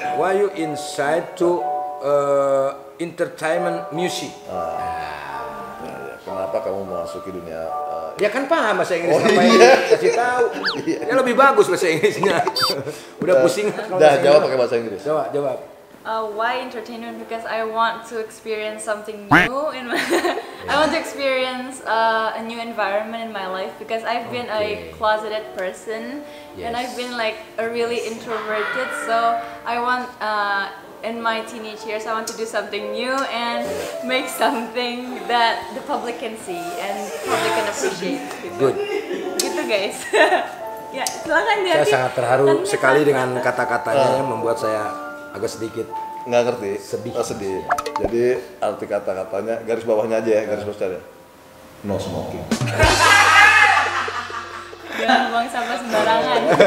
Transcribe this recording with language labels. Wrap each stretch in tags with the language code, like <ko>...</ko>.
<en>Why you inside to entertainment music?</en> <id>Kenapa kamu memasuki dunia ya kan paham bahasa Inggris apa yang dikasih tahu. Ya lebih bagus bahasa Inggrisnya. Udah pusing kalau dah jawab pakai bahasa Inggris. Jawab.</id> <en>Why entertainment? Because I want to experience something new in my I want to experience a new environment in my life because I've been a closeted person and I've been like a really introverted, so I want in my teenage years, I want to do something new and make something that the public can see and the public can appreciate. Good.</en> <id>Gitu guys. Ya, silakan dia. Saya sangat terharu sekali dengan kata-katanya yang membuat saya agak sedikit nggak ngerti. Sedih. Jadi arti kata-katanya garis bawahnya aja ya, garis bawahnya.</id> <en>No smoking.</en> <id>Jangan buang sampah sembarangan.</id>